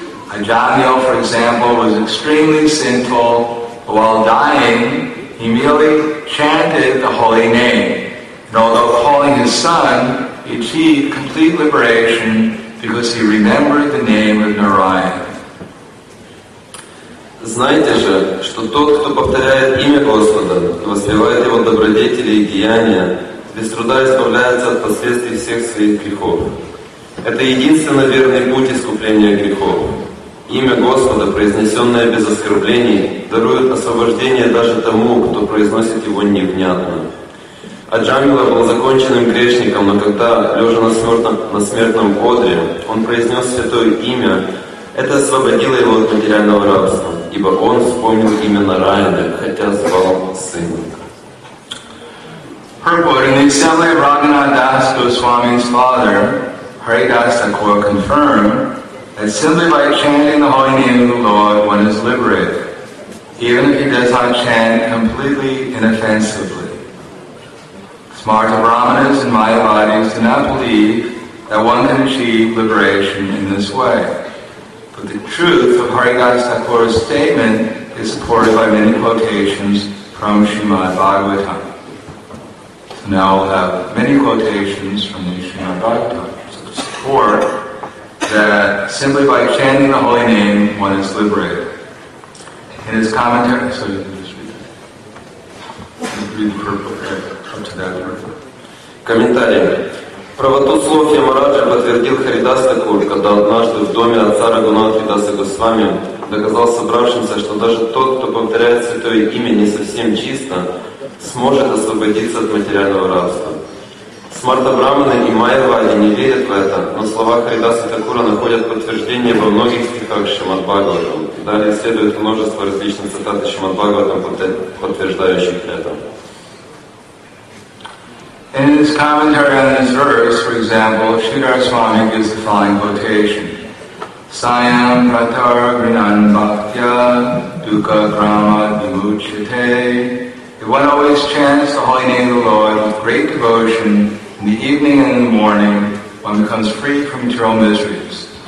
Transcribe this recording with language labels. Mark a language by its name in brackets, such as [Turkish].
[English] Ajamyo, for example, was extremely sinful, but while dying, he merely chanted the holy name, and although calling his son, he achieved complete liberation because he remembered the name of Narayan. [Russian] Знаете же, что тот, кто повторяет имя Господа, воспевает его добродетели и деяния, без труда избавляется от последствий всех своих грехов. Это единственно верный путь искупления грехов. Имя Господа, произнесенное без оскорблений, дарует освобождение даже тому, кто произносит его невнятно. Аджамила был законченным грешником, но когда, лежа на смертном одре, он произнес святое имя, это освободило его от материального рабства, ибо он вспомнил имя Нараяны, хотя звал сына. [English] Purport. In the assembly of Raghunath Das Goswami's father, Haridas Thakur confirmed that simply by chanting the holy name of the Lord, one is liberated, even if he does not chant completely inoffensively. Smarta Brahmanas and Mayavadis do not believe that one can achieve liberation in this way. But the truth of Haridas Thakur's statement is supported by many quotations from Srimad Bhagavatam. So now we'll have many quotations from the Srimad Bhagavatam. So to support that simply by chanting the holy name, one is liberated. In his commentary, so you can just read that. Read the purport up to that purport. Commentary. [Russian] Правоту слов Ямараджа подтвердил Харидас Такур, когда однажды в доме отца Рагунатхи Даса Госвами доказал собравшимся, что даже тот, кто повторяет святое имя не совсем чисто, сможет освободиться от материального рабства. Смарта Брахманы и Майявади не верят в это, но слова Харидаса Такура находят подтверждение во многих стихах Шримад Бхагаватам. Далее следует множество различных цитат Шримад Бхагаватам, подтверждающих это. [English] In his commentary on this verse, for example, Sridhar Swami gives the following quotation. [Sanskrit] Sayam pratar grinan bhaktya dukkha krama vimuchyate. [English] If one always chants the holy name of the Lord with great devotion, in the evening and in the morning, one becomes free from material miseries.